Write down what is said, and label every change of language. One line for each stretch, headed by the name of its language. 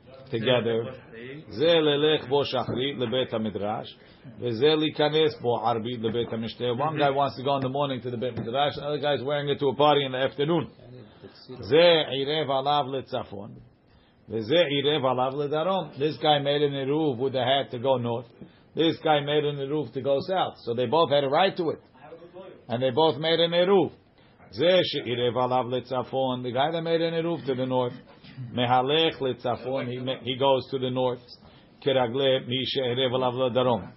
Hebrew: Together, זה ללך בו שחרית לבית המדרש, וזה ליכנס בו ערבית לבית המשתה.
English: One guy wants to go in the morning to the bet midrash, another guy is wearing it to a party in the afternoon.
Hebrew: זה עירב עליו לצפון, וזה עירב עליו לדרום.
English: This guy made an eruv with a hat to go north. This guy made an eruv to go south. So they both had a right to it, and they both made an eruv.
Hebrew: זה שעירב עליו לצפון.
English: The guy that made an eruv to the north.
Hebrew: Mehalech litzafon,
English: he goes to the north.
Hebrew: Kiragle misha erev alav ladarom.